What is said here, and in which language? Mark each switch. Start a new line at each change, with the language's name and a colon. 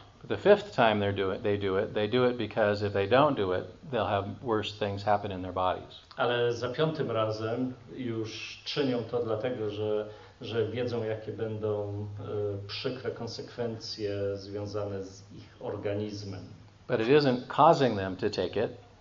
English: But the fifth time they do it because if they don't do it, they'll have worse things happen in their bodies.
Polish: Ale za piątym razem już czynią to dlatego, że wiedzą, jakie będą przykre konsekwencje związane z ich organizmem.
English: But it isn't causing them to take it.